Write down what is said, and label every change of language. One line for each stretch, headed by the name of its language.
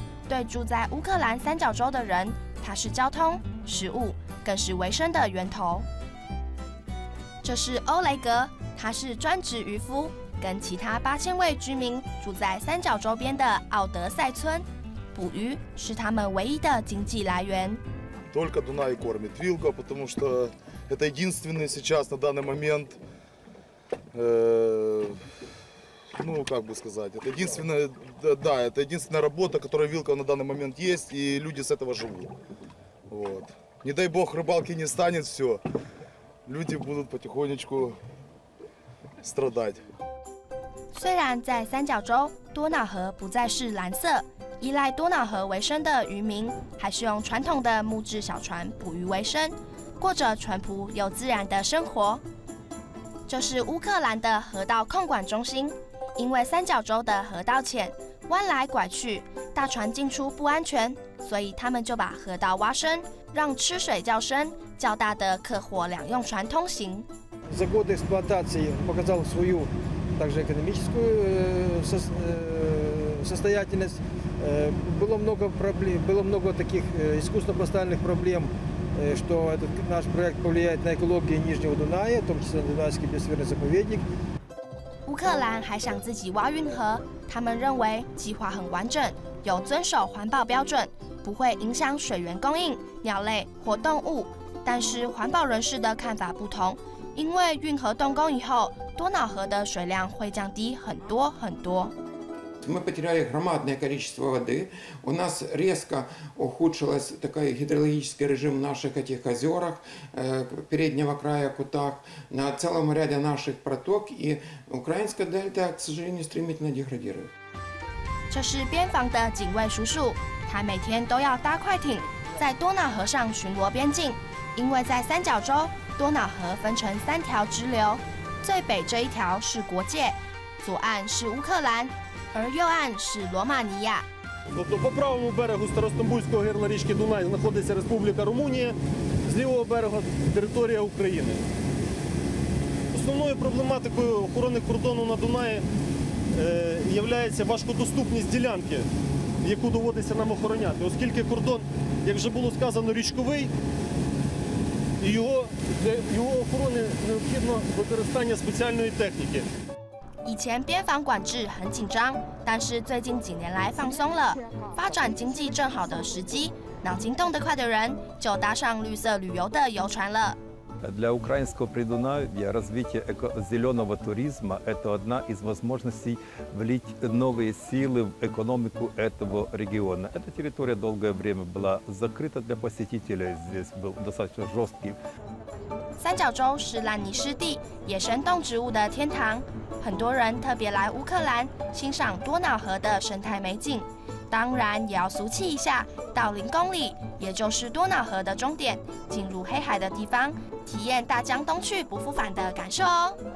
Chinese: 对住在乌克兰三角洲的人，它是交通、食物，更是维生的源头。这是欧雷格，他是专职渔夫，跟其他8000位居民住在三角洲边的奥德赛村，捕鱼是他们唯一的经济来源。
Russian: Только Дунай кормит Вилга, потому что это единственный сейчас на данный момент, ну как бы сказать, это единственная, да, это единственная работа, которая Вилга на данный момент есть, и люди с этого живут. Вот. Не дай бог рыбалки не станет, все, люди будут потихонечку страдать.
Chinese: 虽然在三角洲，多瑙河不再是蓝色。依赖多瑙河为生的渔民还是用传统的木质小船捕鱼为生，过着淳朴又自然的生活。这是乌克兰的河道控管中心，因为三角洲的河道浅，弯来拐去，大船进出不安全，所以他们就把河道挖深，让吃水较深，较大的客货两用船通行。
Russian: За годы эксплуатации показал свою также экономическую состоятельность. Было много проблем, было много таких искусственно поставленных проблем, что этот наш проект повлияет на экологию Нижнего Дуная, в том числе на Дунайский биосферный заповедник.
Chinese: 乌克兰还想自己挖运河，他们认为计划很完整，有遵守环保标准，不会影响水源供应、鸟类或动物。但是环保人士的看法不同。因为运河动工以后，多瑙河的水量会降低很多很多。
Russian: Мы потеряли громадное количество воды. У нас резко ухудшилась такой гидрологический режим наших этих озерах переднего края Кутах на целом ряде наших проток и украинская дельта, к сожалению, стремительно деградирует.
Chinese: 这是边防的警卫叔叔，他每天都要搭快艇在多瑙河上巡逻边境，因为在三角洲。多瑙河分成三条支流，最北这一条是国界，左岸是乌克兰，而右岸是罗马尼亚。
Ukrainian: по правому берегу Старостомбуського гирла річки Дунай знаходиться Республіка Румунія, з лівого берега територія України. Основною проблематикою охорони кордону на Дунаї являється важкодоступність ділянки, яку доводиться нам охороняти, оскільки кордон, як вже було сказано, річковий.
Russian: Его охране необходимо использование специальной техники.
Chinese: 以前边防管制很紧张，但是最近几年来放松了，发展经济正好的时机，脑筋动得快的人就搭上绿色旅游的游船了。
Ukrainian: Для українського Придунав'я розвиття зеленого туризму
Russian: – это одна из возможностей влить новые силы в экономику этого региона. Эта территория долгое время была закрыта для посетителей, здесь был достаточно жесткий. 三角洲是烂泥湿地、野生动植物的天堂，很多人特别来乌克兰欣赏多瑙河的生态美景。当然也要俗气一下，到零公里，也就是多瑙河的终点，进入黑海的地方，体验大江东去不复返的感受哦。